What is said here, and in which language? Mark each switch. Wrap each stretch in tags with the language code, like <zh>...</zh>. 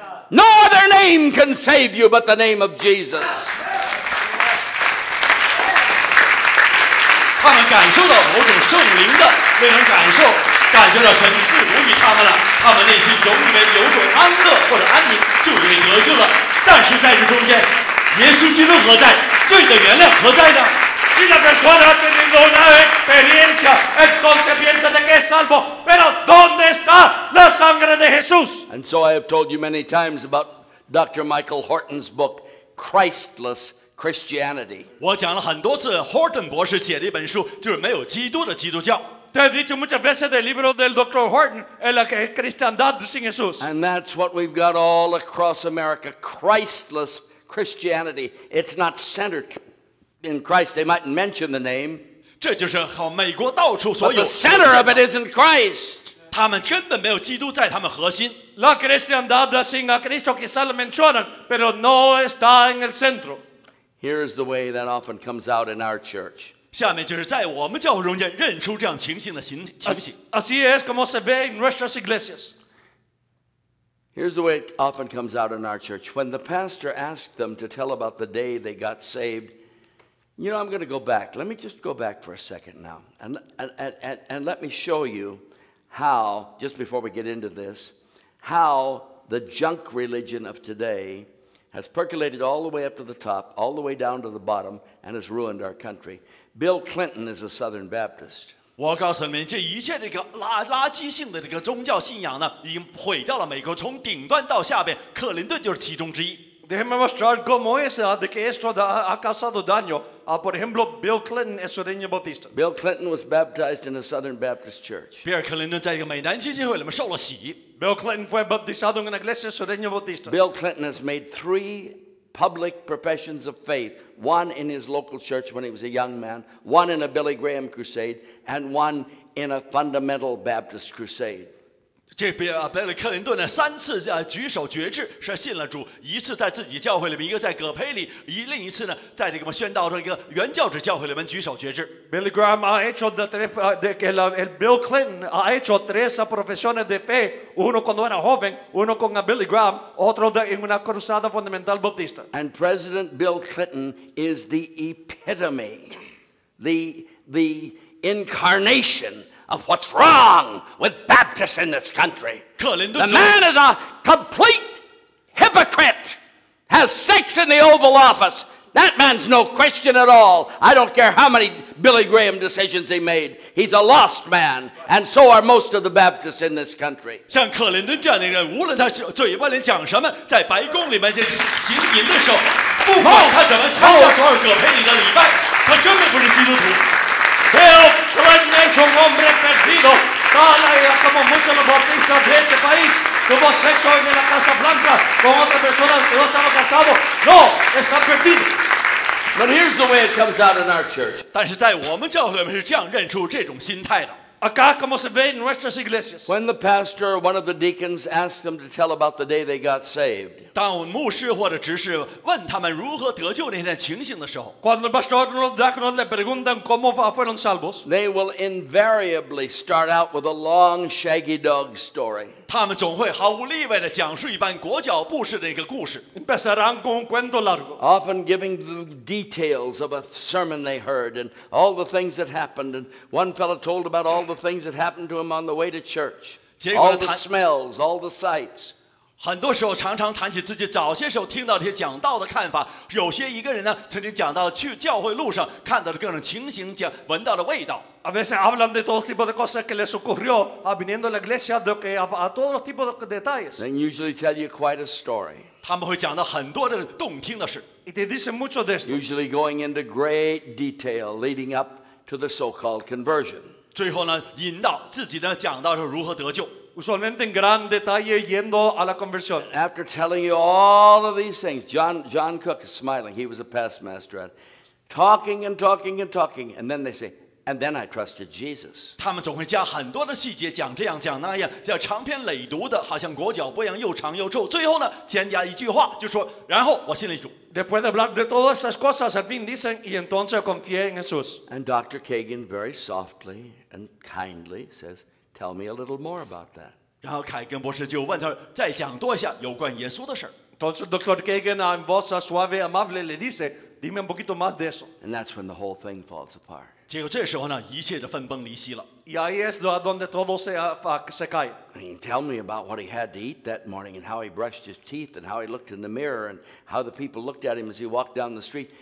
<en>No other name can save you but the name of Jesus.</en> <zh>他们感受到某种圣灵的那种感受，感觉到神赐福于他们了，他们内心总以为有种安乐或者安宁就已经得救了，但是在这中间耶稣基督何在？罪的原谅何在呢？</zh> <es>Si la persona ha tenido una experiencia, entonces piensa de que es salvo. Pero ¿dónde está la sangre de Jesús?</es> <en>And so I have told you many times about Dr. Michael Horton's book, Christless Christianity.</en> <zh>我讲了很多次 ，Horton 博士写的一本书就是没有基督的基督教。</zh> <es>Te he dicho muchas veces del libro del Dr. Horton, en la que es cristiandad sin Jesús.</es> <en>And that's what we've got all across America, Christless Christianity. It's not centered. In Christ, they mightn't mention the name.</en> <zh>这就是和美国到处所有。</zh> <en>But the center of it isn't Christ.</en> <zh>他们根本没有基督在他们核心。</zh> <es>La cristiandad sin a Cristo quizá lo mencionan, pero no está en el centro.</es> <en>Here is the way that often comes out in our church.</en> <zh>下面就是在我们教会中间认出这样情形的情形。</zh> <es>Así es como se ve en nuestras iglesias.</es> <en>Here's the way it often comes out in our church. When the pastor asked them to tell about the day they got saved. You know, I'm going to go back. Let me just go back for a second now. And let me show you how, just before we get into this, how the junk religion of today has percolated all the way up to the top, all the way down to the bottom, and has ruined our country. Bill Clinton is a Southern Baptist.</en> <zh>我告诉你们，这一切这个垃圾性的这个宗教信仰呢，已经毁掉了美国从顶端到下边，克林顿就是其中之一。</zh> <es>Déjeme mostrar cómo es de que esto ha causado daño. Por ejemplo, Bill Clinton es sureño bautista.</es> <en>Bill Clinton was baptized in a Southern Baptist church.</en> <zh>比尔·克林顿在一个美南基金会里面受了洗。</zh> <es>Bill Clinton fue bautizado en una iglesia sureño bautista.</es> <en>Bill Clinton has made three public professions of faith: one in his local church when he was a young man, one in a Billy Graham crusade, and one in a fundamental Baptist crusade.</en> <zh>这贝里克林顿呢，三次举手决志是信了主，一次在自己教会里面，一个在葛培里，另一次呢，在这个宣道的一个原教旨教会里面举手决志。</zh> <es>Billy Graham ha hecho el Bill Clinton ha hecho tres profesiones de fe, uno cuando era joven, uno con Billy Graham, otro en una cruzada fundamental bautista.</es> <en>And President Bill Clinton is the epitome, the incarnation. Of what's wrong with Baptists in this country. The man is a complete hypocrite. Has sex in the Oval Office. That man's no Christian at all. I don't care how many Billy Graham decisions he made. He's a lost man. And so are most of the Baptists in this country.</en> <zh>像克林顿这样的人，无论他嘴巴里讲什么，在白宫里面这行淫的时候，不管他怎么参加多少葛培里的礼拜，他根本不是基督徒。</zh> <es>Bill Clinton es un hombre perdido, tal como muchos los bautistas de este país, tuvo sexo en la Casa Blanca con otra persona que no estaba casado. No, está perdido.</es> <en>But here's the way it comes out in our church.</en> <zh>但是在我们教会里面是这样认出这种心态的。</zh> <es>Acá como se ve en nuestras iglesias.</es> <en>When the pastor or one of the deacons asked them to tell about the day they got saved.</en> <zh>当牧师或者执事问他们如何得救那天情形的时候。</zh> <es>Cuando el pastor o el diácono le preguntan cómo fueron salvos.</es> <en>They will invariably start out with a long shaggy dog story.</en> <zh>他们总会毫无例外地讲述一般裹脚布式的一个故事。</zh> <es>Empezarán con un cuento largo.</es> <en>Often giving the details of a sermon they heard and all the things that happened. And one fellow told about all the things that happened to him on the way to church. All the smells, all the sights.</en> <zh>很多时候常常谈起自己早些时候听到这些讲道的看法，有些一个人呢曾经讲到去教会路上看到的各种情形，讲闻到的味道。</zh> <es>A veces hablan de todo tipo de cosas que les ocurrió viniendo a la iglesia, de que a todos tipos de detalles.</es> <en>They usually tell you quite a story.</en> <zh>他们会讲到很多的动听的事。</zh> <en>They</en> <es>dicen mucho de esto.</es> <en>Usually going into great detail leading up to the so-called conversion.</en> <zh>最后呢，引导自己的讲道是如何得救。</zh> <es>Usualmente en gran detalle yendo a la conversión.</es> <en>After telling you all of these things, John Cook is smiling. He was a past master at talking and talking and talking, and then they say, "And then I trusted Jesus."</en> <zh>他们总会加很多的细节，讲这样讲那样，叫长篇累牍的，好像裹脚布一样，又长又臭。最后呢，添加一句话，就说，然后我信了主。</zh> <es>Después de hablar de todas esas cosas, al fin dicen, y entonces confié en Jesús.</es> <en>And Dr. Kagan, very softly and kindly, says, "Tell me a little more about that."</en> <zh>然后凯根博士就问他，再讲多一下有关耶稣的事。</zh> <es>Entonces, Dr. Kagan, en voz suave, amable, le dice, "Dime un poquito más de eso."</es> <en>And that's when the whole thing falls apart.</en> <zh>结果这时候呢，一切就分崩离析了。</zh> <es>Y ahí es donde todo se cae.</es> <en>Tell me about what he had to eat that morning, and how he brushed his teeth, and how he looked in the mirror, and how the people looked at him as he walked down the street.</en>